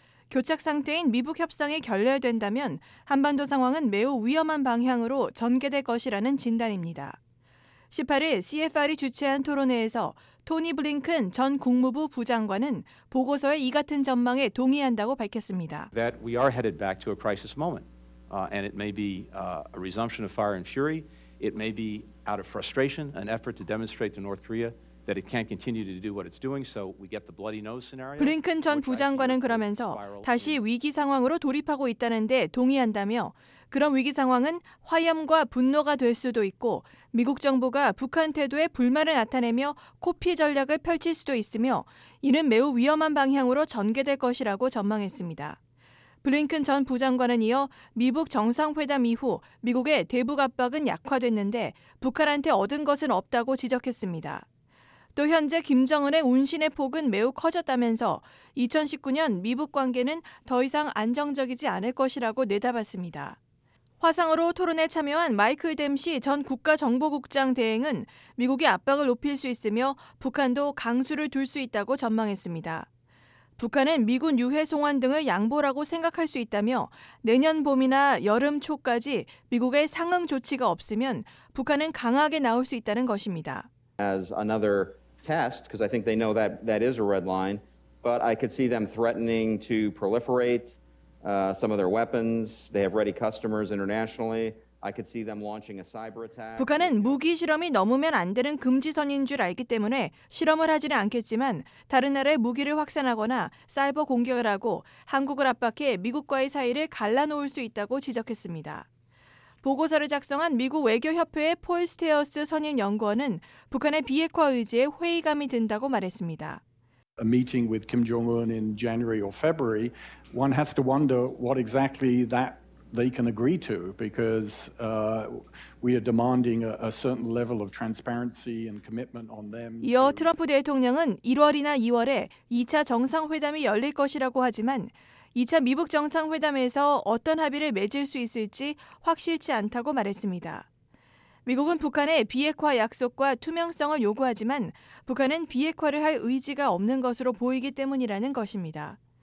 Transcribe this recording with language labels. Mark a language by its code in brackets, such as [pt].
[ko] 교착 상태인 미북 협상이 결렬된다면 한반도 상황은 매우 위험한 방향으로 전개될 것이라는 진단입니다. 18일 CFR이 주최한 토론회에서 토니 블링큰 전 국무부 부장관은 보고서의 이 같은 전망에 동의한다고 밝혔습니다. [en] That we are headed back to a crisis moment. And it may be a resumption of fire and fury. It may be out of frustration, an effort to demonstrate to North Korea that it can't continue to do what it's doing. So we get the bloody nose scenario. [ko] 블링큰 전 부장관은 그러면서 다시 위기 상황으로 돌입하고 있다는 데 동의한다며 그런 위기 상황은 화염과 분노가 될 수도 있고 미국 정부가 북한 태도에 불만을 나타내며 코피 전략을 펼칠 수도 있으며 이는 매우 위험한 방향으로 전개될 것이라고 전망했습니다. 블링큰 전 부장관은 이어 미북 정상회담 이후 미국의 대북 압박은 약화됐는데 북한한테 얻은 것은 없다고 지적했습니다. 또 현재 김정은의 운신의 폭은 매우 커졌다면서 2019년 미북 관계는 더 이상 안정적이지 않을 것이라고 내다봤습니다. 화상으로 토론에 참여한 마이클 댐시 전 국가정보국장 대행은 미국이 압박을 높일 수 있으며 북한도 강수를 둘 수 있다고 전망했습니다. 북한은 미군 유해 송환 등을 양보라고 생각할 수 있다며 내년 봄이나 여름 초까지 미국의 상응 조치가 없으면 북한은 강하게 나올 수 있다는 것입니다. [en] As another test, because I think they know that that is a red line, but I could see them threatening to proliferate some of their weapons. They have ready customers internationally. I could see them launching a cyber attack. [ko] 북한은 무기 실험이 넘으면 안 되는 금지선인 줄 알기 때문에 실험을 하지는 않겠지만 다른 나라의 무기를 확산하거나 사이버 공격을 하고 한국을 압박해 미국과의 사이를 갈라놓을 수 있다고 지적했습니다. 보고서를 작성한 미국 외교협회의 폴 스테어스 선임 연구원은 북한의 비핵화 의지에 회의감이 든다고 말했습니다. [en] A meeting with Kim Jong-un in January or February, one has to wonder what exactly that they can agree to because we are demanding a certain level of transparency and commitment on them. [ko] 이어 트럼프 대통령은 1월이나 2월에 2차 정상회담이 열릴 것이라고 하지만 2차 미북 정상회담에서 어떤 합의를 맺을 수 있을지 확실치 않다고 말했습니다. 미국은 북한의 비핵화 약속과 투명성을 요구하지만 북한은 비핵화를 할 의지가 없는 것으로 보이기 때문이라는 것입니다.